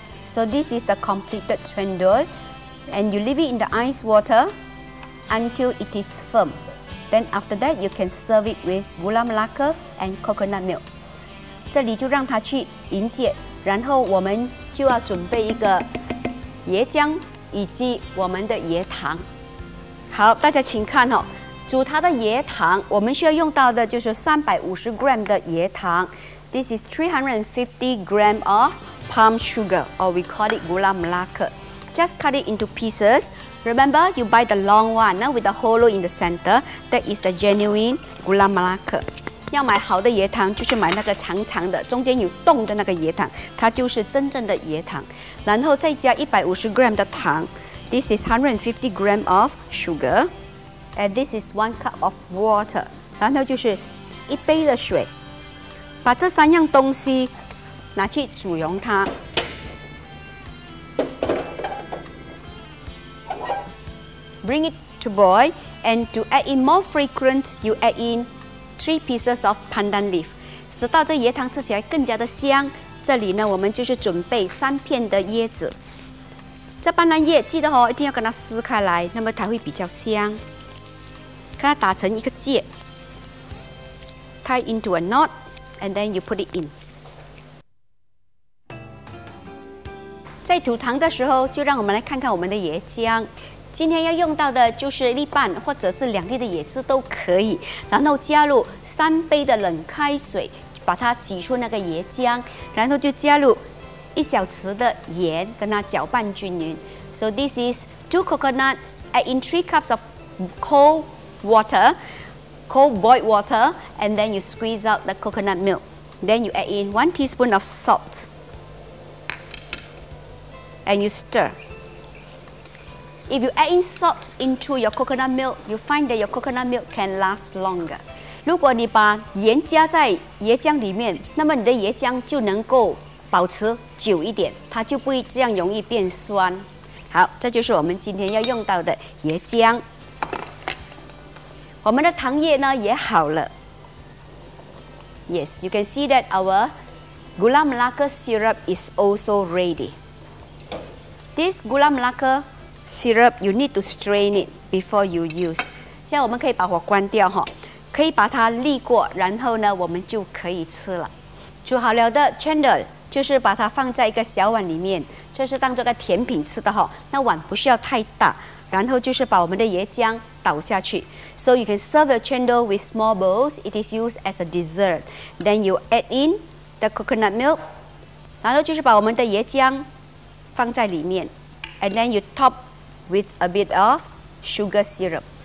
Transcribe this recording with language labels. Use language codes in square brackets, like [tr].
[en] So this is a completed chendol, and you leave it in the ice water until it is firm. Then after that, you can serve it with gula melaka and coconut milk. [zh] 这里就让它去凝结，然后我们就要准备一个椰浆以及我们的椰糖。好，大家请看哦，煮它的椰糖，我们需要用到的就是350 g 的椰糖。 [en] This is 350 g of palm sugar, or we call it gula melaka. Just cut it into pieces. Remember, you buy the long one, now with the hollow in the center. That is the genuine gula melaka. [zh] 要买好的椰糖，就是买那个长长的、中间有洞的那个椰糖，它就是真正的椰糖。然后再加150 g 的糖 [en] ，This is 150 g of sugar， and this is 1 cup of water。 [zh] 然后就是一杯的水，把这三样东西拿去煮溶它。 [en] Bring it to boil, and to add in more frequent, you add in. 3 pieces of pandan leaf， [zh] 使到这椰糖吃起来更加的香。这里呢，我们就是准备3片的椰子。这斑斓叶记得哦，一定要跟它撕开来，那么它会比较香。给它打成一个结 [en] ，tie into a knot， and then you put it in。 [zh] 在煮糖的时候，就让我们来看看我们的椰浆。今天要用到的就是一粒半或者是2粒的椰子都可以，然后加入3杯的冷开水，把它挤出那个椰浆，然后就加入1小匙的盐，跟它搅拌均匀。 [en] So this is 2 coconuts, add in 3 cups of cold water, cold boiled water, and then you squeeze out the coconut milk. Then you add in 1 teaspoon of salt, and you stir. If you add in salt into your coconut milk, you find that your coconut milk can last longer. [zh] 如果你把盐加在椰浆里面，那么你的椰浆就能够保持久一点，它就不会这样容易变酸。好，这就是我们今天要用到的椰浆。我们的糖液呢也好了。 [en] Yes, you can see that our gula melaka syrup is also ready. This gula melaka. Syrup, you need to strain it before you use. [zh] 现在我们可以把火关掉哈，可以把它沥过，然后呢，我们就可以吃了。煮好了的 chendol 就是把它放在一个小碗里面，这是当做个甜品吃的哈。那碗不需要太大，然后就是把我们的椰浆倒下去。 [en] So you can serve your chendol with small bowls. It is used as a dessert. Then you add in the coconut milk. [zh] 然后就是把我们的椰浆放在里面。 [en] And then you top with a bit of sugar syrup.